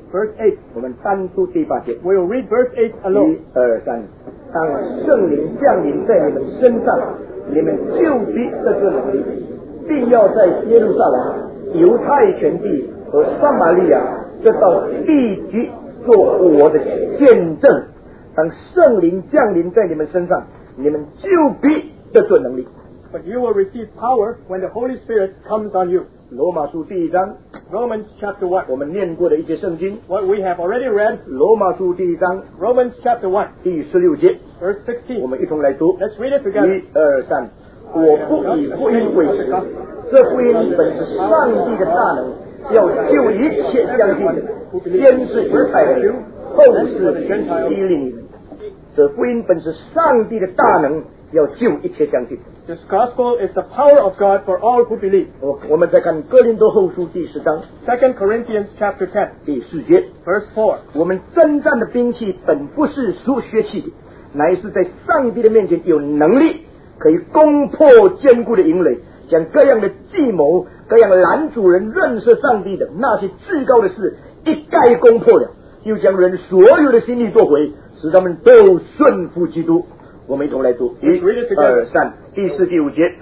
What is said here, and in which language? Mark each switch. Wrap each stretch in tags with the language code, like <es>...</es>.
<en>verse 8</en> <zh>我们单数第八节</zh> <en>we'll read verse 8 alone</en> <zh>一二三当圣灵降临在你们身上你们就必得这能力并要在耶路撒冷犹太全地和撒玛利亚这到地极做我的见证当圣灵降临在你们身上你们就必得这能力</zh> <en>but you will receive power when the Holy Spirit comes on you</en> <zh>罗马书第一章</zh> <en>Romans chapter 1</en> <zh>我们念过的一些圣经</zh> <en>What we have already read</en> <zh>罗马书第一章</zh> <en>Romans chapter 1</en> <zh>第十六节</zh> <en>Verse 16</en> <zh>我们一同来读</zh> <en>Let's read it together</en> <zh>一二三我不以福音为耻这福音本是上帝的大能要救一切相信的先是犹太人后是希利尼人这福音本是上帝的大能要救一切相信的</zh> <en>This gospel is the power of God for all who believe.</en> <zh>我们再看哥林多后书第十章</zh> <en>2 Corinthians chapter 10.</en> <zh>第四节</zh> <en>Verse 4.</en> <zh>我们征战的兵器本不是属血气的乃是在上帝的面前有能力可以攻破坚固的营垒将各样的计谋各样拦阻人认识上帝的那些至高的事一概攻破了又将人所有的心意夺回使他们都顺服基督我们一同来读一二三第四第五节</zh>